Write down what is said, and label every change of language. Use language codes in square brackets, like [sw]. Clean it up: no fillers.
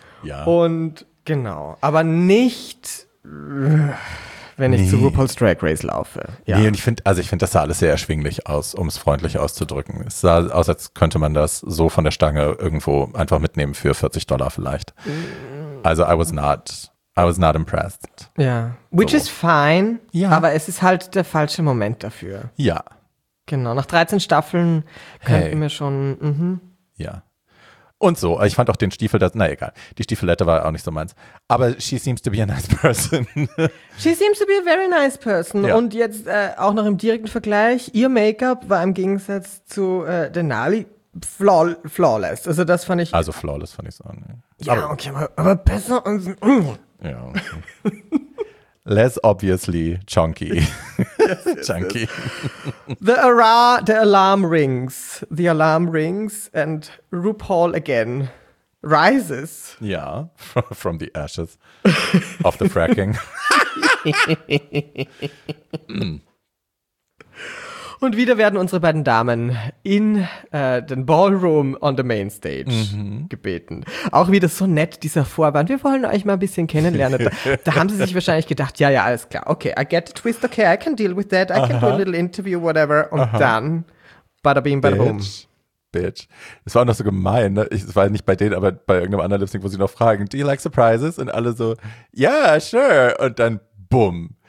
[de] Ja. Und genau, aber nicht, wenn ich zu RuPaul's Drag Race laufe. Ja. Nee, und ich finde, das sah alles sehr erschwinglich aus, um es freundlich auszudrücken. Es sah aus, als könnte man das so von der Stange irgendwo einfach mitnehmen für $40 vielleicht. [en] Also I was not impressed. Ja, which so is fine, [de] ja. Aber es ist halt der falsche Moment dafür. Ja. Genau, nach 13 Staffeln könnten wir schon, Ja. Und so, ich fand auch den Stiefel, die Stiefelette war auch nicht so meins. [en] Aber she seems to be a nice person. She seems to be a very nice person. [de] Ja. Und jetzt auch noch im direkten Vergleich, ihr Make-up war im Gegensatz zu Denali flawless. Also das fand ich. Also flawless fand ich so. Ne. Ja, aber, okay, aber besser als. [en] Ja, okay. Less obviously chunky. Yes, chunky. The alarm rings. The alarm rings and RuPaul again rises. Yeah, from the ashes of the fracking. [de] Und wieder werden unsere beiden Damen in den Ballroom [en] on the Main Stage [de] gebeten. Auch wieder so nett, dieser Vorwand. Wir wollen euch mal ein bisschen kennenlernen. Da haben sie sich wahrscheinlich gedacht, ja, ja, alles klar. [en] Okay, I get the twist, okay, I can deal with that. I can do a little interview, whatever. [de] Und dann, bada bim, bada boom. [en] Bitch. [de] Es war auch noch so gemein, ne? Es war nicht bei denen, aber bei irgendeinem anderen Lip-Sync, wo sie noch fragen, [en] do you like surprises? [de] Und alle so, [en] yeah, sure. [de] Und dann, boom.